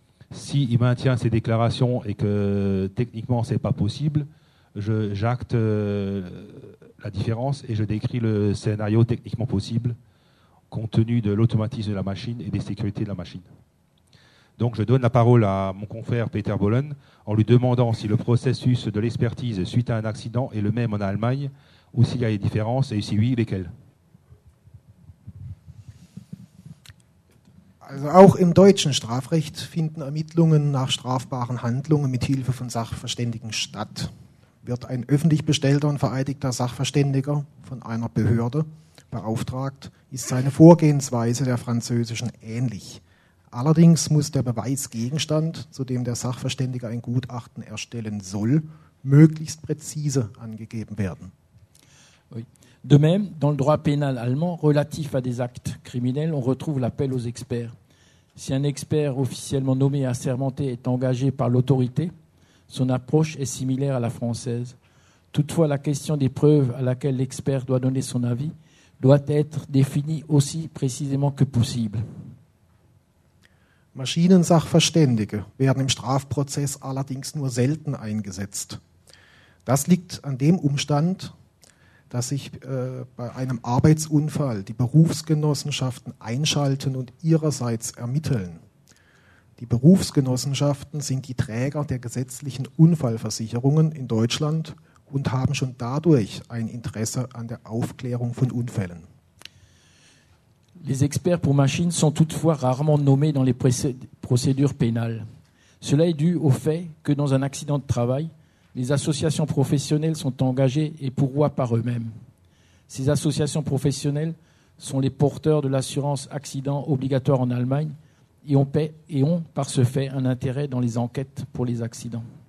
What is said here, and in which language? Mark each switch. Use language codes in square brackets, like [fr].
[fr] S'il maintient ses déclarations et que techniquement ce n'est pas possible, j'acte la différence et je décris le scénario techniquement possible compte tenu de l'automatisme de la machine et des sécurités de la machine. Donc je donne la parole à mon confrère Peter Bollen en lui demandant si le processus de l'expertise suite à un accident est le même en Allemagne ou s'il y a des différences et si oui, lesquelles ? [de] Also auch im deutschen Strafrecht finden Ermittlungen nach strafbaren Handlungen mit Hilfe von Sachverständigen statt. Wird ein öffentlich bestellter und vereidigter Sachverständiger von einer Behörde beauftragt, ist seine Vorgehensweise der französischen ähnlich. Allerdings muss der Beweisgegenstand, zu dem der Sachverständige ein Gutachten erstellen soll, möglichst präzise angegeben werden. [fr] Oui. De même, dans le droit pénal allemand, relatif à des actes criminels, on retrouve l'appel aux experts. Si un expert officiellement nommé et assermenté est engagé par l'autorité, son approche est similaire à la française. Toutefois, la question des preuves à laquelle l'expert doit donner son avis doit être définie aussi précisément que possible. [de] Maschinensachverständige werden im Strafprozess allerdings nur selten eingesetzt. Das liegt an dem Umstand, dass sich bei einem Arbeitsunfall die Berufsgenossenschaften einschalten und ihrerseits ermitteln. Die Berufsgenossenschaften sind die Träger der gesetzlichen Unfallversicherungen in Deutschland und haben schon dadurch ein Interesse an der Aufklärung von Unfällen. [fr] Les experts pour machines sont toutefois rarement nommés dans les procédures pénales. Cela est dû au fait que dans un accident de travail, les associations professionnelles sont engagées et pourvoient par eux-mêmes. Ces associations professionnelles sont les porteurs de l'assurance accident obligatoire en Allemagne et ont par ce fait un intérêt dans les enquêtes pour les accidents.